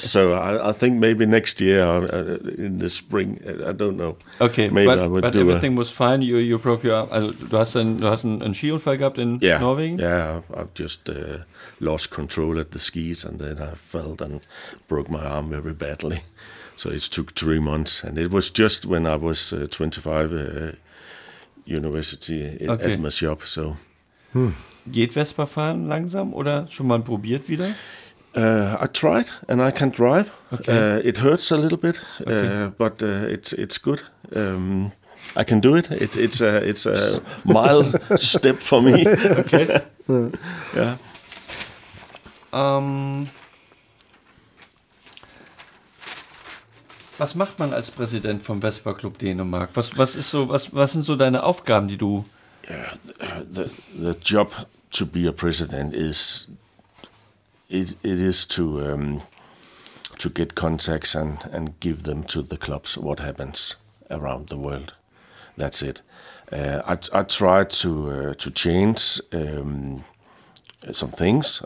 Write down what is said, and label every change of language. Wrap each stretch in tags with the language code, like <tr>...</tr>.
<en>So I think maybe next year in the spring, I don't know. Okay, maybe but everything was fine. You broke your arm.</en> <de>Also, du hast einen Skiunfall gehabt in Norwegen?</de> <en>Yeah, I've just lost control at the skis, and then I fell and broke my arm very badly. So it took 3 months, and it was just when I was 25, university at my shop. So.</en> <de>Geht Vespa fahren langsam oder schon mal probiert wieder?</de> <en>I tried and I can drive. Okay. It hurts a little bit, but it's good. I can do it. It's a mile step for me. Okay. Yeah.</en> <de>Was macht man als Präsident vom Vespa Club Dänemark? Was sind so deine Aufgaben, die du?</de> <en>The job. To be a president is to get contacts and give them to the clubs what happens around the world. That's it. I tried to change some things.</en>